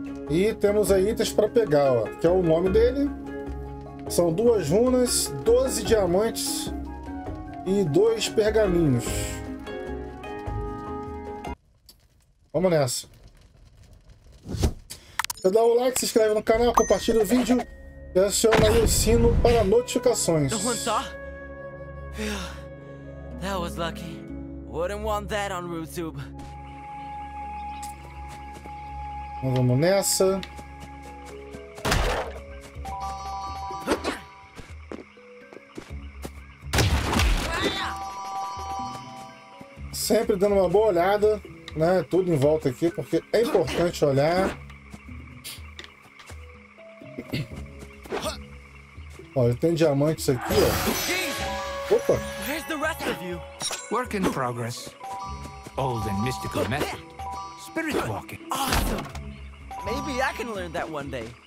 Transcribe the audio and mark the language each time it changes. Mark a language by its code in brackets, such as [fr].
[pt] E temos aí itens para pegar, ó, que é o nome dele. São 2 runas, 12 diamantes e 2 pergaminhos. Vamos nessa. Já dá o like, se inscreve no canal, compartilha o vídeo e aciona aí o sino para notificações. [en] That was lucky. Wouldn't want that on YouTube. [pt] Vamos nessa. Sempre dando uma boa olhada, né? Tudo em volta aqui, porque é importante olhar. Olha, tem diamantes aqui, ó. Opa! [en] Where's the rest of you? Work in progress. Old and mystical method. Spirit walking. Awesome. Maybe I can learn that one day.